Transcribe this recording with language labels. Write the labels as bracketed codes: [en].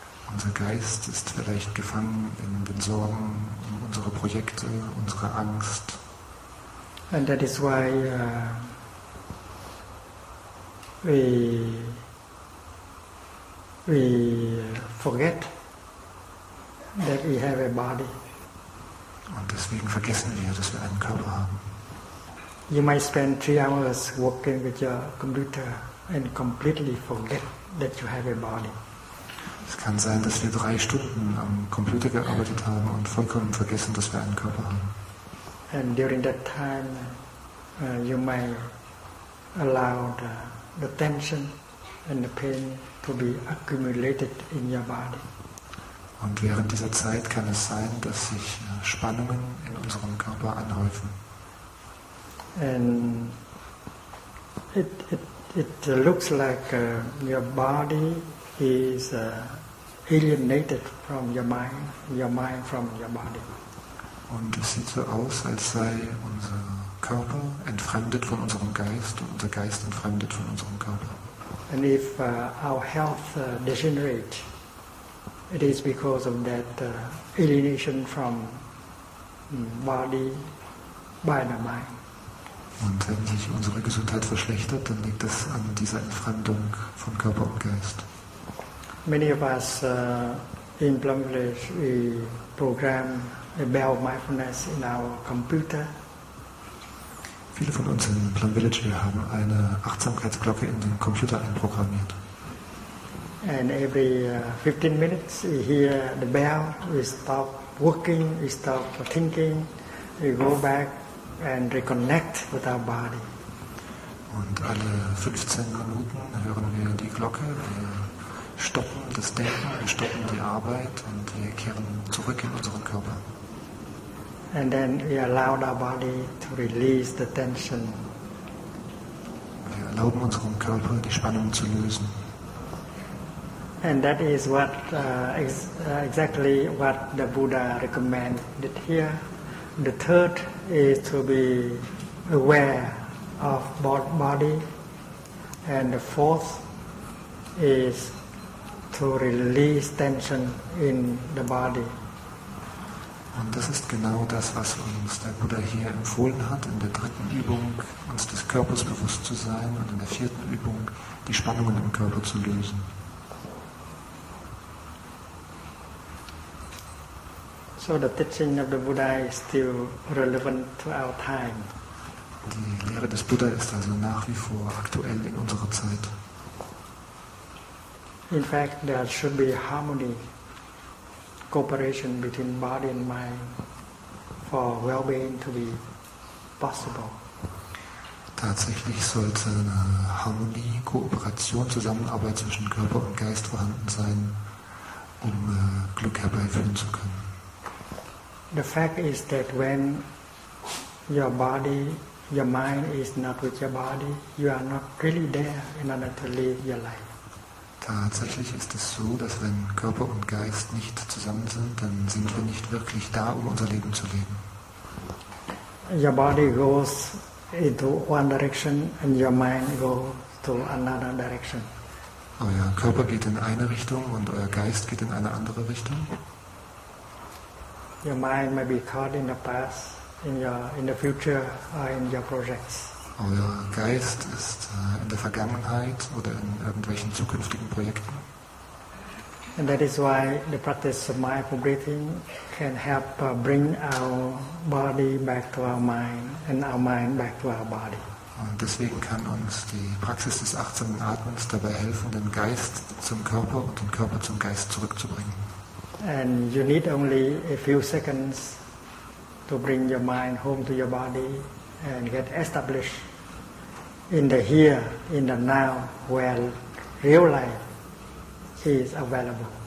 [de] Unser Geist ist vielleicht gefangen in den Sorgen, in unsere Projekte, unsere Angst. [en] And that is why we forget that we have a body. [de] Und deswegen vergessen wir, dass wir einen Körper haben. [en] You might spend 3 hours working with your computer and completely forget that you have a body. [de] Es kann sein, dass wir 3 Stunden am Computer gearbeitet haben und vollkommen vergessen, dass wir einen Körper haben. [en] And during that time, you might allow the tension and the pain to be accumulated in your body. [de] Und während dieser Zeit kann es sein, dass sich Spannungen in unserem Körper anhäufen. [en] And it looks like your body is alienated from your mind from your body. [de] Und es sieht so aus, als sei unser Körper entfremdet von unserem Geist und unser Geist entfremdet von unserem Körper. [en] And if our health degenerates, it is because of that alienation from body by the mind. [de] Und wenn sich unsere Gesundheit verschlechtert, dann liegt es an dieser Entfremdung von Körper und Geist. [en] Many of us in Plumbridge, we program a bell mindfulness in our computer. [de] Viele von uns in Plum Village, wir haben eine Achtsamkeitsglocke in den Computer einprogrammiert. [en] And every 15 minutes we hear the bell, we stop working, we stop thinking, we go back and reconnect with our body. [de] Und alle 15 Minuten hören wir die Glocke, wir stoppen das Denken, wir stoppen die Arbeit und wir kehren zurück in unseren Körper. [en] And then we allow our body to release the tension. [de] Wir erlauben unserem Körper, die Spannung zu lösen. [en] And that is what exactly what the Buddha recommended here. The third is to be aware of body. And the fourth is to release tension in the body. [de] Und das ist genau das, was uns der Buddha hier empfohlen hat, in der 3. Übung uns des Körpers bewusst zu sein und in der 4. Übung die Spannungen im Körper zu lösen. [en] So the teaching of the Buddha is still relevant to our time. [de] Die Lehre des Buddha ist also nach wie vor aktuell in unserer Zeit. [en] In fact, there should be harmony, cooperation between body and mind for well-being to be possible. [de] Tatsächlich sollte eine Harmonie, Kooperation, Zusammenarbeit zwischen Körper und Geist vorhanden sein, um Glück herbeiführen zu können. [en] The fact is that when your body, your mind is not with your body, you are not really there in order to live your life. [de] Tatsächlich ist es so, dass wenn Körper und Geist nicht zusammen sind, dann sind wir nicht wirklich da, um unser Leben zu leben. [en] Your body goes into one direction and your mind goes to another direction. [de] Euer Körper geht in eine Richtung und euer Geist geht in eine andere Richtung. [en] Your mind may be caught in the past, in the future, or in your projects. [de] Euer Geist ist in der Vergangenheit oder in irgendwelchen zukünftigen Projekten. [en] And that is why the practice of mindful breathing can help bring our body back to our mind and our mind back to our body. [de] Und deswegen kann uns die Praxis des achtsamen Atmens dabei helfen, den Geist zum Körper und den Körper zum Geist zurückzubringen. [en] And you need only a few seconds to bring your mind home to your body and get established in the here, in the now, where real life is available.